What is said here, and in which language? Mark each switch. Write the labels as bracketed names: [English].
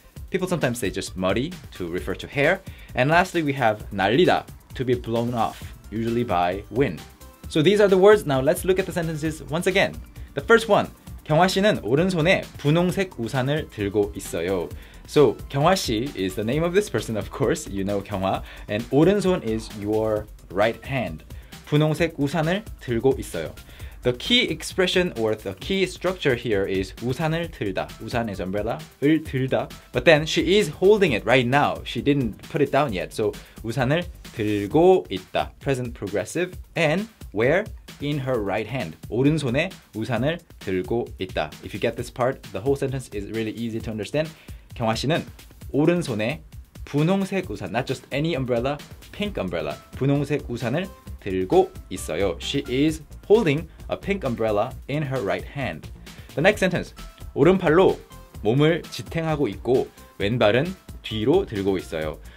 [English] People sometimes say just 머리 to refer to hair. And lastly, we have 날리다, to be blown off, usually by wind. So these are the words. Now let's look at the sentences once again. The first one, [Korean] 경화 씨는 오른손에 분홍색 우산을 들고 있어요. [English] So 경화 씨 is the name of this person, of course. You know 경화. And 오른손 is your right hand. [Korean] 분홍색 우산을 들고 있어요. [English] The key expression or the key structure here is [Korean] 우산을 들다. [English] 우산 is umbrella. 을 들다. But then she is holding it right now. She didn't put it down yet. So [Korean] 우산을 들고 있다. [English] Present progressive. And where? In her right hand. [Korean] 오른손에 우산을 들고 있다. [English] If you get this part, the whole sentence is really easy to understand. [Korean] 경화 씨는 오른손에 분홍색 우산, [English] not just any umbrella, pink umbrella, [Korean] 분홍색 우산을 들고 있어요. [English] She is holding a pink umbrella in her right hand. The next sentence, [Korean] 오른팔로 몸을 지탱하고 있고 왼발은 뒤로 들고 있어요.